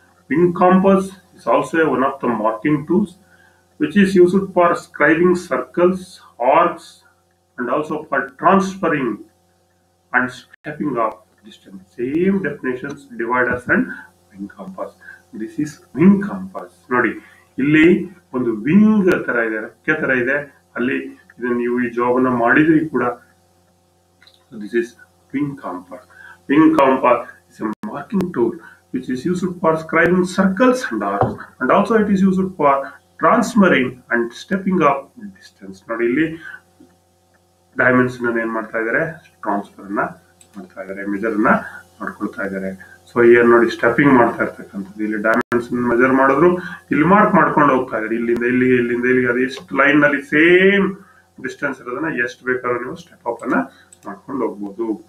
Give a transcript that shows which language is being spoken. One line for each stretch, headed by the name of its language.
English: Wing compass is also one of the marking tools which is used for scribing circles, arcs and also for transferring and stepping off distance. Same definitions dividers and wing compass. This is wing compass.
Kannada: ನೋಡಿ ಇಲ್ಲಿ ಒಂದು wing ತರ ಇದೆ, ರೆಕ್ಕೆ ತರ ಇದೆ. ಅಲ್ಲಿ ಇದನ್ನ ನೀವು ಈ ಜಾಬ್ ಅನ್ನ ಮಾಡಿದ್ರಿ ಕೂಡ this is wing campus.
English: Wing compass is a marking tool which is used for scribing circles and arcs, and also it is used for transmitting and stepping up distance.
Kannada: Not really dimension ಏನ್ ಮಾಡ್ತಾ ಇದಾರೆ, transfer ಅನ್ನ ಮಾಡ್ತಾ ಇದಾರೆ, measure ಅನ್ನ ಮಾಡ್ಕೊಳ್ತಾ ಇದಾರೆ. So ಏನ್ ನೋಡಿ, ಸ್ಟೆಪಿಂಗ್ ಮಾಡ್ತಾ ಇರ್ತಕ್ಕಂಥದ್ದು. ಇಲ್ಲಿ ಡೈಮೆನ್ಶನ್ ಮೆಜರ್ ಮಾಡಿದ್ರು ಇಲ್ಲಿ ಮಾರ್ಕ್ ಮಾಡ್ಕೊಂಡು ಹೋಗ್ತಾ ಇದ್ದಾರೆ. ಇಲ್ಲಿಂದ ಇಲ್ಲಿಗೆ, ಇಲ್ಲಿಂದ ಇಲ್ಲಿಗೆ, ಅದು ಎಷ್ಟು ಲೈನ್ ನಲ್ಲಿ ಸೇಮ್ ಡಿಸ್ಟೆನ್ಸ್ ಇರೋದನ್ನ ಎಷ್ಟು ಬೇಕಾದ್ರೂ ನೀವು ಸ್ಟೆಪ್ ಅಪ್ ಅನ್ನ ಮಾಡ್ಕೊಂಡು ಹೋಗ್ಬೋದು.